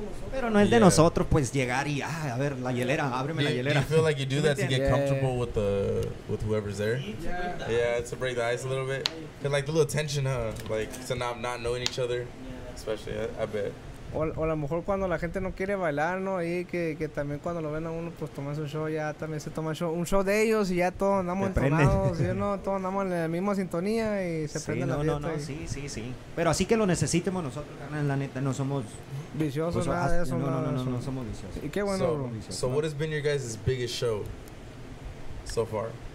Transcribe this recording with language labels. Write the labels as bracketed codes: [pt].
[es] Pero no es de nosotros, pues, llegar y, a ver, la hielera, ábreme la hielera. [en] Do you feel like you do that to get comfortable with whoever's there? Yeah, to break the ice a little bit. And, like, the little tension, huh? Like, to not knowing each other, especially, I bet. [es] O a lo mejor cuando la gente no quiere bailar, ¿no? Y que también cuando lo ven a uno, pues, toman su show, ya también se toma un show de ellos y ya todos andamos entonados, ¿sí o no? Todos andamos en la misma sintonía y se prende la fiesta. Sí. Pero así que lo necesitemos nosotros, la neta, no somos... Viciosos, pues, nada de eso. No, somos viciosos. Y qué bueno. [en] So what has been your guys' biggest show so far?